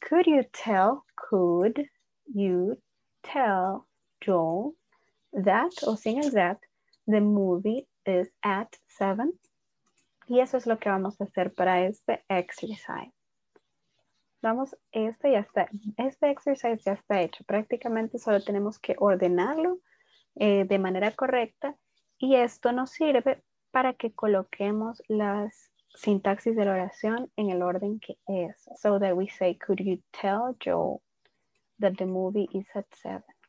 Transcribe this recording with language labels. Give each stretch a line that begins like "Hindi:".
English: Could you tell, could you tell Joel that, or seeing as that, the movie is at 7?
Spanish: Y eso es lo que vamos a hacer para este exercise. Vamos, este exercise ya está hecho. Prácticamente solo tenemos que ordenarlo de manera correcta y esto nos sirve para que coloquemos las sintaxis de la oración en el orden que es.
English: So that we say, could you tell Joel that the movie is at 7?